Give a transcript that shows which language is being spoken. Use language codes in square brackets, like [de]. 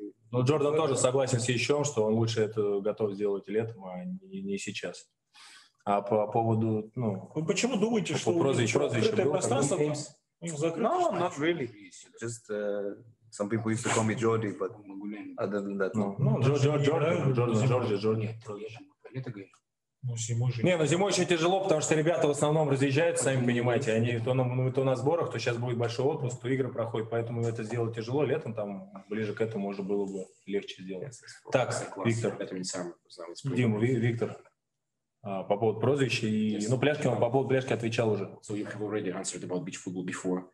[ru] Ну, Джордан тоже согласен с Ищом, что он лучше это готов сделать летом, а не сейчас. А по поводу, ну... Вы почему думаете, что прозвище было? Пространство там, у них закрыто? [en] No, not really. Just some people used to call me Jordi, but other than that, no. [ru] Ну, Джорди. Не, ну зимой очень тяжело, потому что ребята в основном разъезжают, сами понимаете. Они то на сборах, то сейчас будет большой отпуск, то игры проходят. Поэтому это сделать тяжело. Летом там ближе к этому уже было бы легче сделать. Так, Виктор. Дима, Виктор. По поводу прозвища и ну пляжки он по поводу пляжки отвечал уже. [en] So you have already answered about beach football before.